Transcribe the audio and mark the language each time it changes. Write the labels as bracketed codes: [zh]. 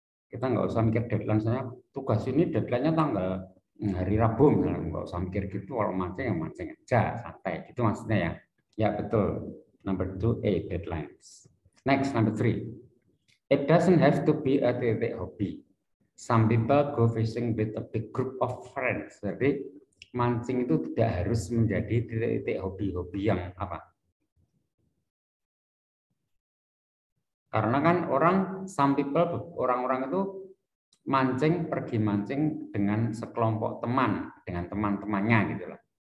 [id] Kita nggak usah mikir deadline, saya tugas ini deadline-nya tanggal hari Rabu, nggak usah mikir gitu, kalau mancing ya mancing aja, santai, itu maksudnya ya. Ya betul, [en] number 2A, deadlines. Next, number 3. It doesn't have to be a titik hobby. Some people go fishing with a big group of friends. Jadi [id] mancing itu tidak harus menjadi titik-titik hobi-hobi yang apa? Karena kan orang, [en] some people, [id] orang-orang itu mancing, pergi mancing dengan sekelompok teman, dengan teman-temannya gitu lah.